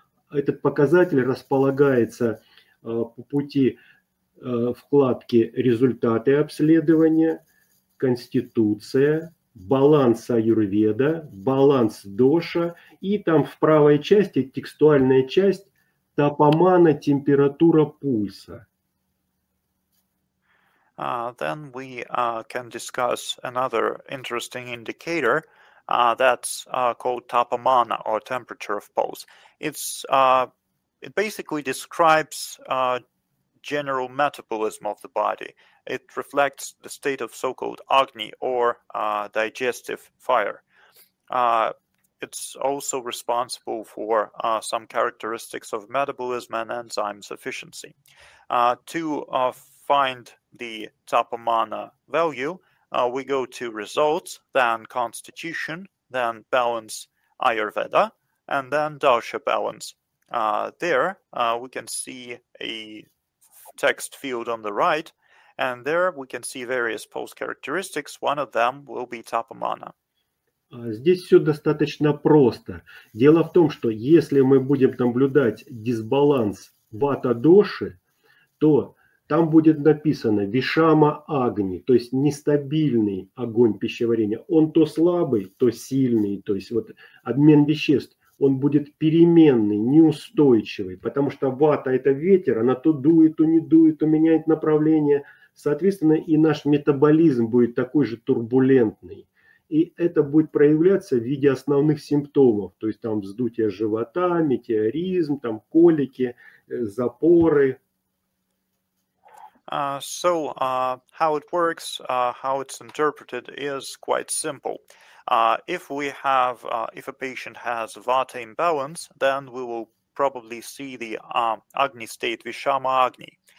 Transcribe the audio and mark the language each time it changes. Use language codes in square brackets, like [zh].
[ru] Этот показатель располагается по пути вкладки «Результаты обследования», «Конституция», баланс аюрведа, баланс доша, и там в правой части, текстуальная часть, тапамана, температура пульса. [en] Then we can discuss another interesting indicator, that's called tapamana, or temperature of pulse. It basically describes general metabolism of the body. It reflects the state of so-called agni, or digestive fire. It's also responsible for some characteristics of metabolism and enzyme sufficiency. To find the tapamana value, we go to results, then constitution, then balance Ayurveda, and then dosha balance. There we can see a text field on the right, and there we can see various pulse characteristics. One of them will be tapamana. [ru] Здесь все достаточно просто. Дело в том, что если мы будем наблюдать дисбаланс вата-доши, то там будет написано вишама-агни, то есть нестабильный огонь пищеварения. Он то слабый, то сильный, то есть вот обмен веществ. Он будет переменный, неустойчивый, потому что вата – это ветер, она то дует, то не дует, то меняет направление. Соответственно, и наш метаболизм будет такой же турбулентный. И это будет проявляться в виде основных симптомов, то есть там вздутие живота, метеоризм, там колики, запоры. [en] How it works, how it's interpreted is quite simple. If a patient has vata imbalance, then we will probably see the agni state, vishama agni.